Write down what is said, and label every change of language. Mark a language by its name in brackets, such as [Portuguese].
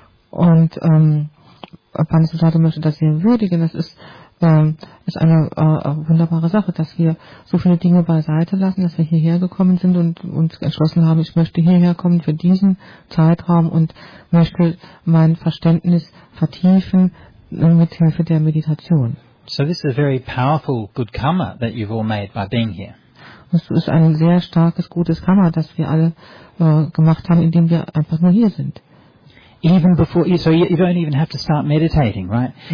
[German] Und Panasutata möchte das hier würdigen, das ist wunderbare Sache, dass wir so viele Dinge beiseite lassen, dass wir hierher gekommen sind und uns entschlossen haben, ich möchte hierher kommen für diesen Zeitraum und möchte mein Verständnis vertiefen mit Hilfe der Meditation. [English] So this is a very powerful good karma that you've all made by being here. [German] Das ist ein sehr starkes gutes Karma, das wir alle gemacht haben, indem wir einfach nur hier sind. [English] Even before, so you don't even have to start meditating, right?